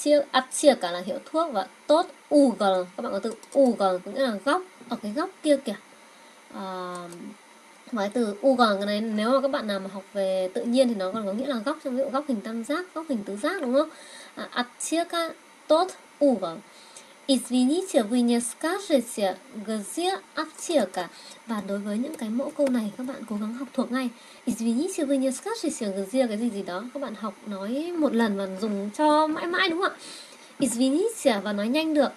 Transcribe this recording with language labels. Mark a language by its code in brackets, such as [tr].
[vi] Аптека là hiệu thuốc và tốt угол. Các bạn có từ угол cũng nghĩa là góc, ở cái góc kia kìa. Và cái từ угол này nếu mà các bạn nào mà học về tự nhiên thì nó còn có nghĩa là góc, trong ví dụ góc hình tam giác, góc hình tứ giác đúng không? [ru] Аптека tốt угол. Извините, вы не скажете, где аптека? [vi] Và đối với những cái mẫu câu này, các bạn cố gắng học thuộc ngay. [ru] Извините, вы не скажете, где, [vi] cái gì gì đó. Các bạn học nói một лần và dùng cho mãi mãi đúng không ạ? Извините, và nói nhanh được.